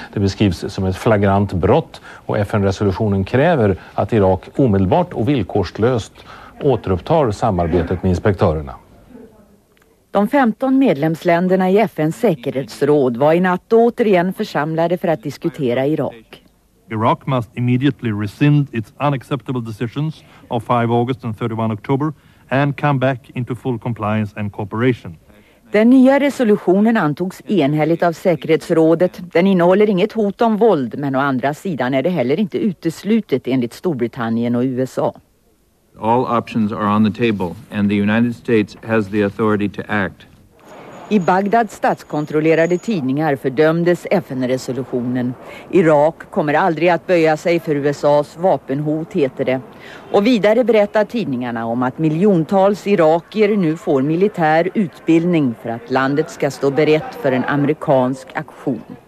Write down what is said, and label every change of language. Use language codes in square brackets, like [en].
[sv] Det beskrivs som ett flagrant brott och FN-resolutionen kräver att Irak omedelbart och villkorslöst återupptar samarbetet med inspektörerna. De 15 medlemsländerna i FNs säkerhetsråd var i natt återigen församlade för att diskutera Irak. [en] Iraq must immediately rescind its unacceptable decisions of 5 August and 31 October and come back into full compliance and cooperation. [sv] Den nya resolutionen antogs enhälligt av säkerhetsrådet. Den innehåller inget hot om våld, men å andra sidan är det heller inte uteslutet enligt Storbritannien och USA. [en] All options are on the table and the United States has the authority to act. [sv] I Bagdad statskontrollerade tidningar fördömdes FN-resolutionen. Irak kommer aldrig att böja sig för USA:s vapenhot, heter det. Och vidare berättar tidningarna om att miljontals irakier nu får militär utbildning för att landet ska stå berett för en amerikansk aktion.